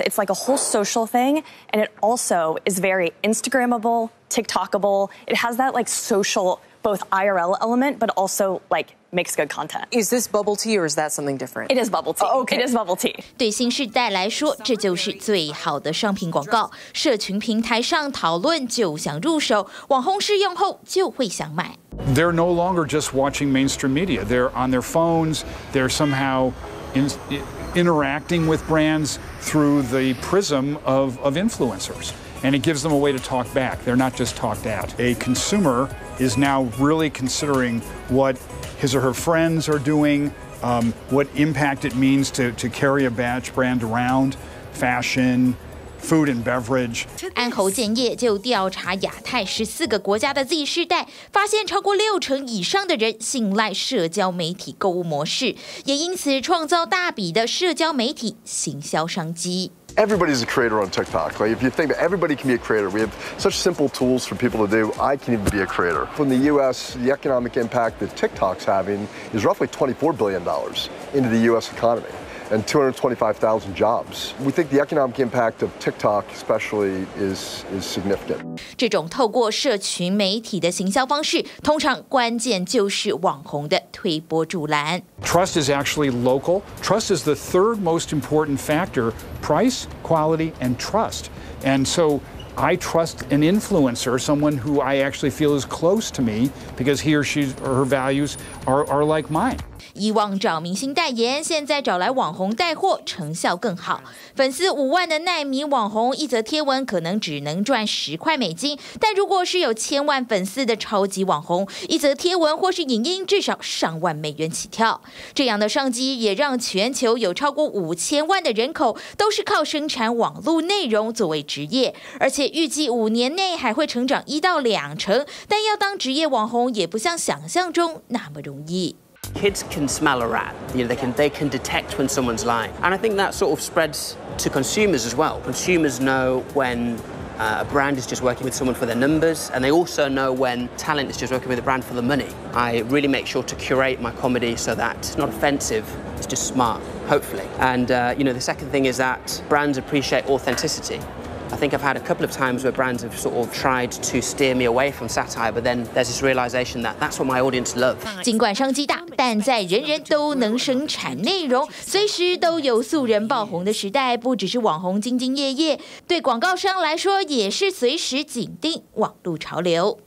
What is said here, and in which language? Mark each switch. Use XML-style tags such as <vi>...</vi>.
<en>It's like a whole social thing, and it also is very Instagrammable, TikTokable. It has that like social both IRL element, but also like. Makes good content. Is this bubble tea or is that something different? It is bubble tea. Oh, okay. It is bubble tea.</en> <zh>对新世代来说，这就是最好的商品广告。社群平台上讨论就想入手，网红试用后就会想买。</zh> <en>They're no longer just watching mainstream media. They're on their phones. They're somehow interacting with brands through the prism of influencers, and it gives them a way to talk back. They're not just talked at. A consumer is now really considering what. His or her friends are doing, what impact it means to carry a badge brand around, fashion, food and beverage.</en> <zh>安侯建业就调查亚太14个国家的 Z 世代，发现超过六成以上的人信赖社交媒体购物模式，也因此创造大笔的社交媒体行销商机。</zh> <en>Everybody's a creator on TikTok. Like, if you think that everybody can be a creator, we have such simple tools for people to do. I can even be a creator. From the US, the economic impact that TikTok's having is roughly $24 billion into the US economy and 225,000 jobs. We think the economic impact of TikTok especially is significant.</en> <zh>这种透过社群媒体的行销方式，通常关键就是网红的推波助澜。</zh> <en>Trust is actually local. Trust is the third most important factor, price, quality, and trust. And so I trust an influencer, someone who I actually feel is close to me because he or she or her values are like mine.</en> <zh>以往找明星代言，现在找来网红带货，成效更好。粉丝50,000的奈米网红，一则贴文可能只能赚$10，但如果是有千万粉丝的超级网红，一则贴文或是影音至少上万美元起跳。这样的商机也让全球有超过50,000,000的人口都是靠生产网络内容作为职业，而且预计5年内还会成长1-2%。但要当职业网红，也不像想象中那么容易。</zh> <en>Kids can smell a rat. You know, they can detect when someone's lying. And I think that sort of spreads to consumers as well. Consumers know when a brand is just working with someone for their numbers, and they also know when talent is just working with a brand for the money. I really make sure to curate my comedy so that it's not offensive, it's just smart, hopefully. And, you know, the second thing is that brands appreciate authenticity. I think I've had a couple of times where brands have sort of tried to steer me away from satire, but then there's this realization that that's what my audience love.</en> <zh>尽管商机大，但在人人都能生产内容、随时都有素人爆红的时代，不只是网红兢兢业业，对广告商来说也是随时紧盯网络潮流。</zh>